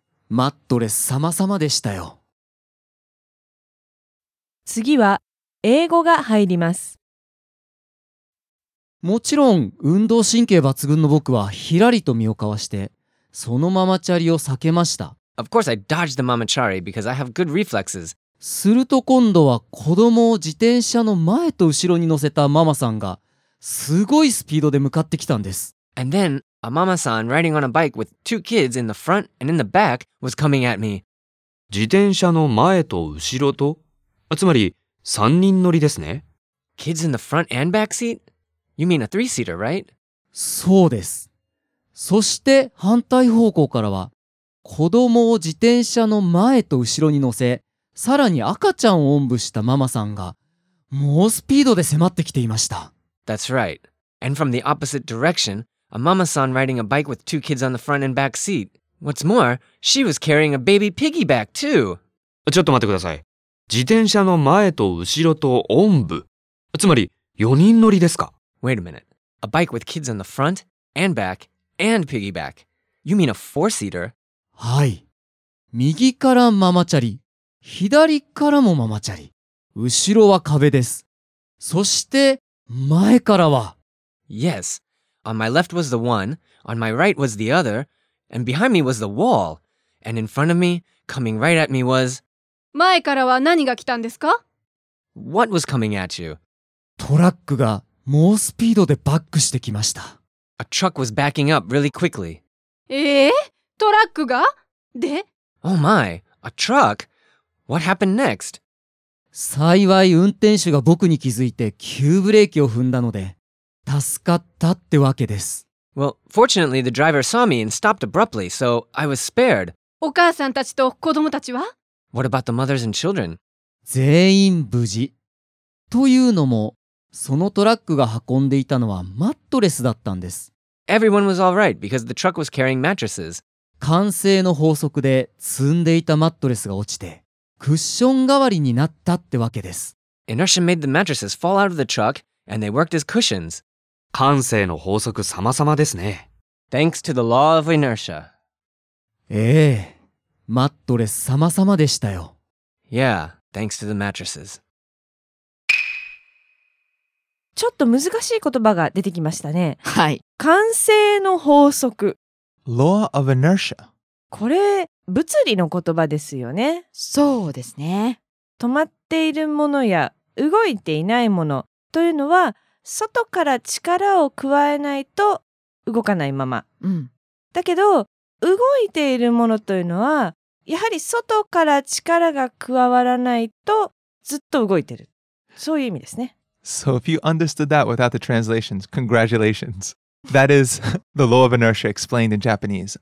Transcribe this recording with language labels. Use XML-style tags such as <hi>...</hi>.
<ja>マットレス様々でしたよ。次は英語が入ります。もちろん運動神経抜群の僕はひらりと身をかわして、そのままチャリを避けました。</ja> <en>Of course I dodged the mama chari because I have good reflexes.</en> <ja>すると今度は子供を自転車の前と後ろに乗せたママさんがすごいスピードで向かってきたんです。</ja> <en>And then a mama san riding on a bike with two kids in the front and in the back was coming at me.</en> <ja>自転車の前と後ろと、あ、つまり3人乗りですね。</ja> <en>Kids in the front and back seat? You mean a three-seater, right?</en> <ja>そうです。そして反対方向からは、子供を自転車の前と後ろに乗せ、さらに赤ちゃんをおんぶしたママさんが猛スピードで迫ってきていました。</ja> <en>That's right. And from the opposite direction, a mama-san riding a bike with two kids on the front and back seat. What's more, she was carrying a baby piggyback too.</en> <ja>ちょっと待ってください。自転車の前と後ろとおんぶ、つまり4人乗りですか。</ja> <en>Wait a minute. A bike with kids in the front and back and piggyback. You mean a four-seater?</en> <ja>はい。右からママチャリ、左からもママチャリ、後ろは壁です。そして前からは、</ja> <en>Yes. On my left was the one, on my right was the other, and behind me was the wall, and in front of me, coming right at me was...</en> <ja>前からは何が来たんですか?</ja> <en>What was coming at you?</en> <ja>トラックが猛スピードでバックしてきました。</ja> <en>A truck was backing up really quickly.</en> <ja>トラックが?で?</ja> <en>Oh my, a truck? What happened next?</en> <ja>幸い運転手が僕に気づいて急ブレーキを踏んだので助かったってわけです。</ja> <en>Well, fortunately the driver saw me and stopped abruptly, so I was spared.</en> <ja>お母さんたちと子供たちは?</ja> <en>What about the mothers and children?</en> <ja>全員無事。というのも、そのトラックが運んでいたのはマットレスだったんです。</ja> <en>Everyone was alright because the truck was carrying mattresses.</en> <ja>慣性の法則で積んでいたマットレスが落ちてクッション代わりになったってわけです。</ja> <en>Inertia made the mattresses fall out of the truck and they worked as cushions.</en> <ja>慣性の法則様々ですね。</ja> <en>Thanks to the law of inertia.</en> <ja>ええ、マットレス様々でしたよ。</ja> <en>Yeah, thanks to the mattresses.</en> <ja>ちょっと難しい言葉が出てきましたね。はい。慣性の法則。</ja> <en>Law of inertia。</en> <ja>これ、物理の言葉ですよね。そうですね。止まっているものや動いていないものというのは、外から力を加えないと動かないまま。うん。だけど、動いているものというのは、やはり外から力が加わらないとずっと動いている。そういう意味ですね。</ja> <en>So if you understood that without the translations, congratulations. That is the law of inertia explained in Japanese.</en>